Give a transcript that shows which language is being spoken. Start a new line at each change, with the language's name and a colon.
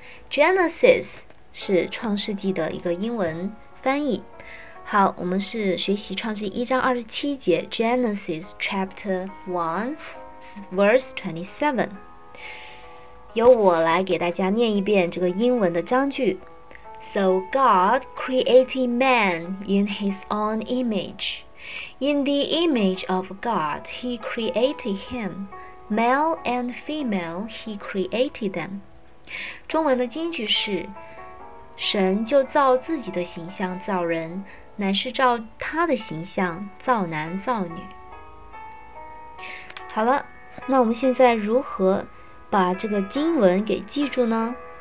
Chinese: Genesis 是创世纪的一个英文翻译。好，我们是学习创世纪一章二十七节
English: Genesis chapter 1 verse 27。
Chinese: 由我来给大家念一遍这个英文的章句。
English: So God created man in his own image. In the image of God he created himMale and female, he created them.
Chinese: 中文的金句是，神就照自己的形象造人，乃是照他的形象造男造女。好了，那我们现在如何把这个经文给记住呢？